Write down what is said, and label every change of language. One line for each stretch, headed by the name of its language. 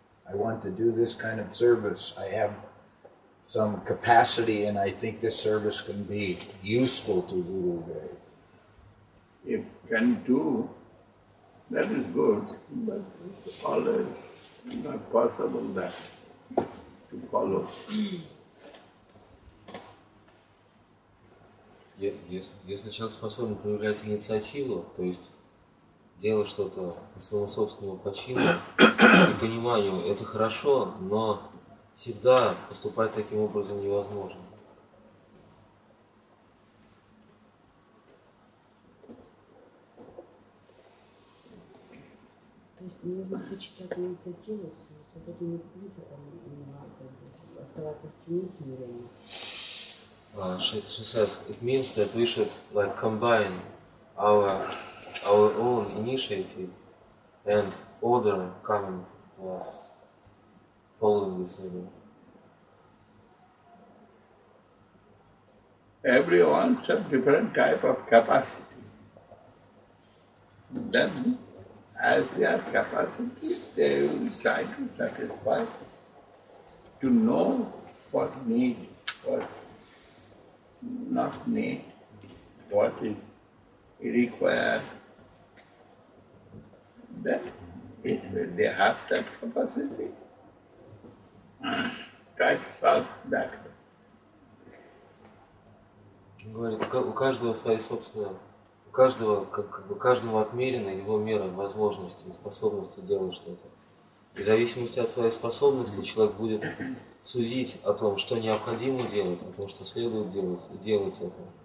English: I want to do this kind of service. I have some capacity, and I think this service can be useful to Gurudev. If can do, that is good, but it's always not possible that to follow.
Russian: Если человек способен проявлять инициативу, то есть делать что-то по своему собственному почину и пониманию, это хорошо, но всегда поступать таким образом невозможно. То есть мне бы сочетать инициативу с вот этими принципами, оставаться в тени смирения.
English: She says, it means that we should like combine our own initiative and order coming to us, following this order. Everyone has different type of capacity. Then as their capacity, they will try to satisfy, to know what need, what not need, what is required. That if they have that capacity, try to solve that.
Russian: Говорит, у каждого свои собственные, у каждого, как бы каждому отмерено его мера возможности и способности делать что-то. И в зависимости от своей способности человек будет судить о том, что необходимо делать, о том, что следует делать, и делать это.